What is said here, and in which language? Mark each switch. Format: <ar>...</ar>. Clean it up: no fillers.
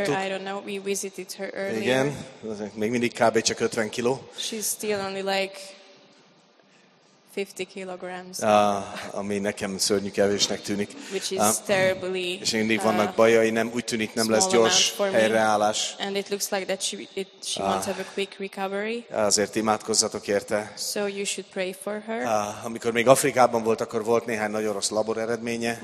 <en>Picture, I don't know. We visited her earlier.</en> <hu>Igen, még mindig kb. Csak 50 kiló.</hu> <en>She's still only like 50 kilograms.</en> <hu>Ami nekem szörnyű kevésnek tűnik.</hu> <en>Which is terribly.</en> <hu>És mindig vannak bajai, nem úgy tűnik, nem lesz gyors helyreállás.</hu> <en>And it looks like that she won't have a quick recovery.</en> <hu>Azért imádkozzatok érte.</hu> <en>So you should pray for her.</en> <hu>Amikor még Afrikában volt, akkor volt néhány nagyon rossz labor eredménye.</hu>